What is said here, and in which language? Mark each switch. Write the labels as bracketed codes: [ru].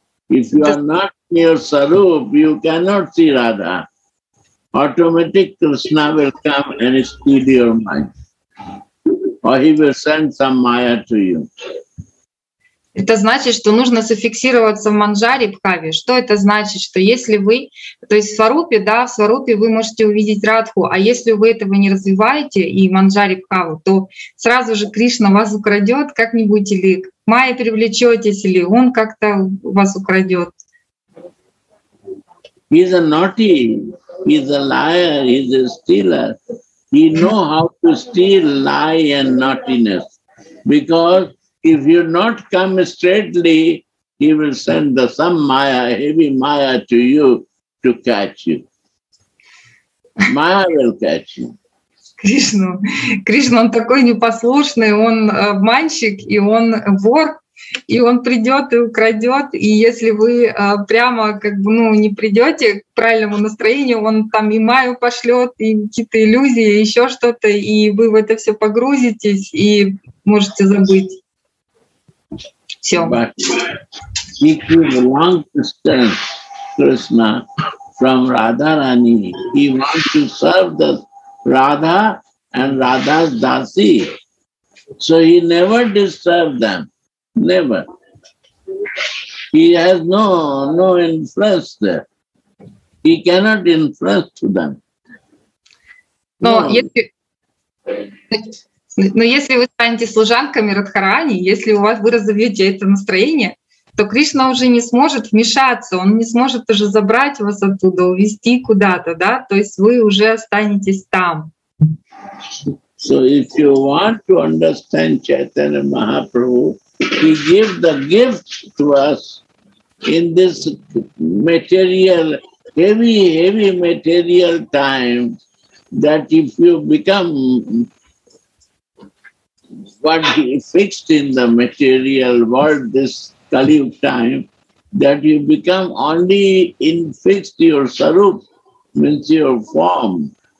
[en] If you are not near Sarup, you cannot see Radha. Automatic Krishna will come and steal your mind. Or he will send some Maya to you. [ru] Это значит, что нужно зафиксироваться в Манджари Бхаве. Что это значит? Что если вы, то есть в Сварупе, да, в Сварупе вы можете увидеть Радху, а если вы этого не развиваете и Манджари Бхаву, то сразу же Кришна вас украдет, как-нибудь или к Майе привлечетесь, или он как-то вас украдет. [en] He's a naughty, he's a liar, he's a stealer. He know how to steal lie and naughtiness. Because if you not come straightly, he will send the some Maya, heavy Maya to you to catch you. Maya will catch you. [ru] Кришна, Кришна, он такой непослушный, он обманщик и он вор, и он придет и украдет. И если вы прямо как бы не придете к правильному настроению, он там и Маю пошлет, и какие-то иллюзии, и еще что-то, и вы в это все погрузитесь и можете забыть. [en] But if you long distance Krishna from Radharani, he wants to serve the Radha and Radha's Dasi. So he never disturbs them. Never. He has no influence there. He cannot influence to them. [ru] Но если вы станете служанками Радхарани, если у вас вы разовьете это настроение, то Кришна уже не сможет вмешаться, он не сможет уже забрать вас оттуда, увезти куда-то, да? То есть вы уже останетесь там. [en] So if you want to understand Chaitanya Mahaprabhu, he give the gift to us in this material, heavy, heavy material time, that if you become what he fixed in the material world, this Kali Yuga time, that you become only in fixed your sarup, means your form.